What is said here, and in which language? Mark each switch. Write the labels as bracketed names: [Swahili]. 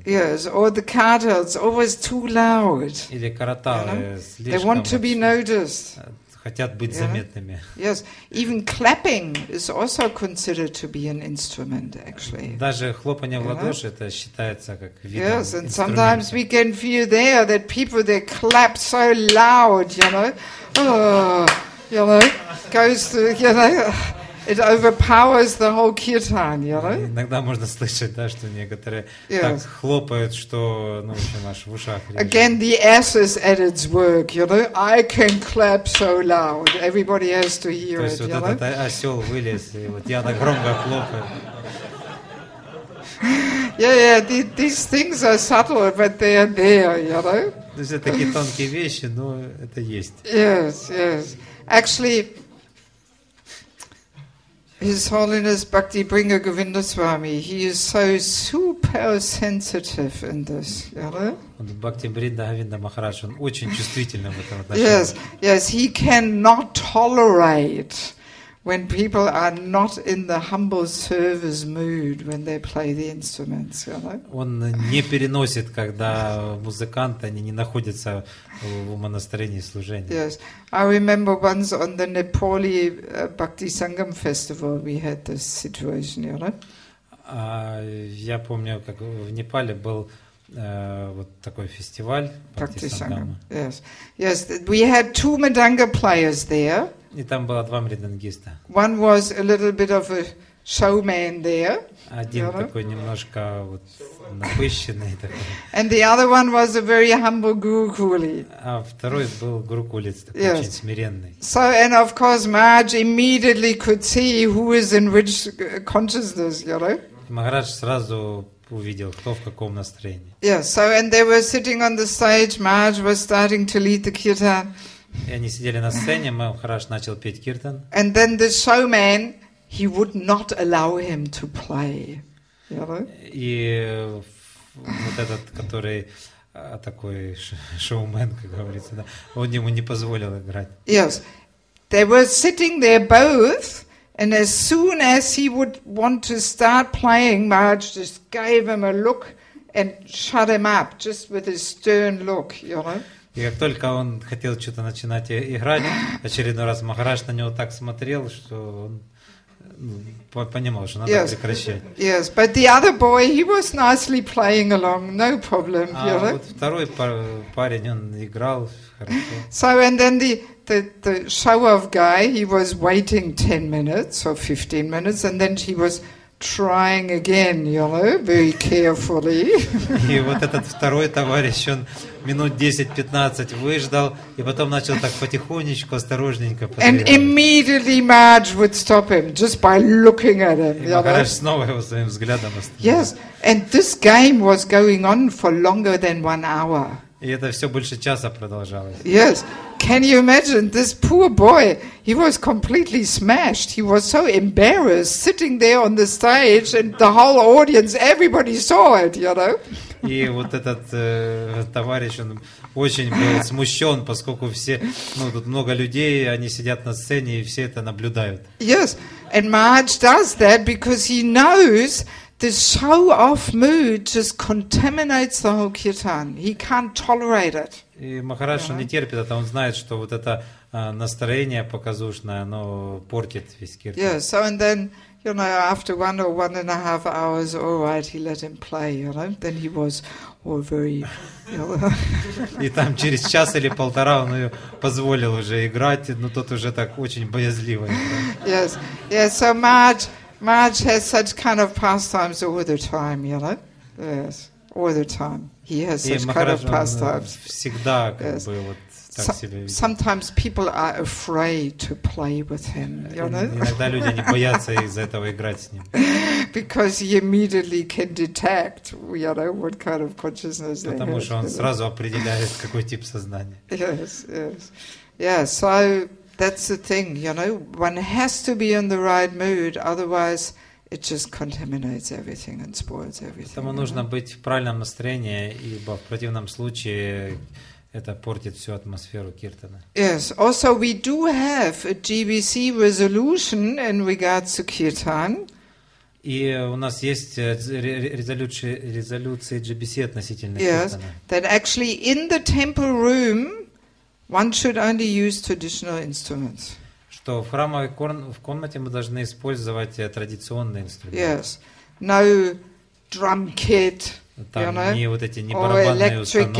[English] Yes, or the каратал is always too loud. [Russian] Или каратал слишком. [English] They want to be noticed. [Russian] Хотят быть заметными. [English] Yes, even clapping is also considered to be an instrument, actually. [Russian] Даже хлопание в ладоши это считается как вид инструмента. [English] Yes, and sometimes we can feel there that people they clap so loud, it overpowers the whole kirtan, [Russian] Иногда можно слышать, что некоторые так хлопают, что, аж в ушах. [English] Again, the ass is at its work, I can clap so loud, everybody has to hear it, [Russian] То есть этот осел вылез, и я так громко хлопаю. [English] Yeah, these things are subtle, but they are there, [Russian] То есть это такие тонкие вещи, но это есть. [English] Yes, yes. Actually, His Holiness Bhakti Bringer Govinda Swami, he is so super sensitive in this, you know? [Russian] Бхакти Бринда Говинда Махарадж, он очень чувствительный в этом отношении. [English] Yes, yes, he cannot tolerate when people are not in the humble server's mood when they play the instruments, you know? [Russian] Он не переносит, когда музыканты они не находятся в умонастроении служения. [English] Yes, I remember once on the Nepali Bhakti Sangam festival we had this situation, you know? [Russian] Я помню, как в Непале был вот такой фестиваль Bhakti Sangam. [English] Yes, yes, we had two mridanga players there. [Russian] И там было два мридангиста. [English] One was a little bit of a showman there. [Russian] Один такой немножко вот напыщенный такой. [English] And the other one was a very humble gurukuli. [Russian] А второй был гурукулец такой, [English] yes, [Russian] очень смиренный. [English] So and of course Maharaj immediately could see who is in which consciousness, you know? [Russian] Махарадж сразу увидел, кто в каком настроении. [English] Yes, so and they were sitting on the stage, Maharaj was starting to lead the kirtan. [Russian] И они сидели на сцене, Махарадж начал петь киртан. [English] And then the showman, he would not allow him to play. [Russian] И вот этот, который такой шоумен, как говорится, да, он ему не позволил играть. [English] Yes. They were sitting there both, and as soon as he would want to start playing, Marge just gave him a look and shut him up, just with his stern look, you know? [Russian] И как только он хотел что-то начинать играть, очередной раз Махарадж на него так смотрел, что он понимал, что надо [English] yes, [Russian] прекращать. [English] Yes, but the other boy, he was nicely playing along, no problem. [Russian] А [English] you know? [Russian] Вот второй парень, он играл хорошо. [English] So and then the show-off guy, he was waiting 10 minutes or 15 minutes, and then he was trying again, you know, very carefully. [Russian] И вот этот второй товарищ, он минут 10-15 выждал, и потом начал так потихонечку, осторожненько подыгрывать. [English] And immediately Marge would stop him just by looking at him. [Russian] И Махарадж снова его своим взглядом остановил. [English] Yes, and this game was going on for longer than one hour. [Russian] И это все больше часа продолжалось. [English] Yes, can you imagine this poor boy? He was completely smashed. He was so embarrassed sitting there on the stage, and the whole audience, everybody saw it, you know. [Russian] И вот этот товарищ, он очень был смущен, поскольку все, ну тут много людей, они сидят на сцене и все это наблюдают. [English] Yes, and Marge does that because he knows the show-off mood just contaminates the whole kirtan. He can't tolerate it. [Russian] И Махарадж не терпит это, он знает, что вот это настроение показушное, оно портит весь киртан. [English] Yes, so and then, you know, after one or one and a half hours, all right, he let him play, you know. Then he was all very, you know. [Russian] И там через час или полтора он ее позволил уже играть, но тот уже так очень боязливо. [English] Yes, yes, so Marge has such kind of pastimes all the time, you know. Yes, all the time. He has such kind of pastimes. [Russian] Всегда, как бы, вот. [English] Sometimes people are afraid to play with him, you know? [Russian] Иногда люди не боятся из-за этого играть с ним. [English] Because he immediately can detect, you know, what kind of consciousness they have. [Russian] Потому что он сразу определяет, какой тип сознания. [English] Yes, yes. Yeah, so that's the thing, you know? One has to be in the right mood, otherwise it just contaminates everything and spoils everything. [Russian] Поэтому нужно быть в правильном настроении, ибо в противном случае это портит всю атмосферу киртана. [English] Yes, also we do have a GBC resolution in regards to kirtan. [Russian] И у нас есть резолюции GBC относительно киртана. [English] Yes, that actually in the temple room one should only use traditional instruments. [Russian] Что в храмовой комнате мы должны использовать традиционные инструменты. [English] Yes, no drum kit. [Russian] Там [English] you know? [Russian] Не вот эти не барабанные установки,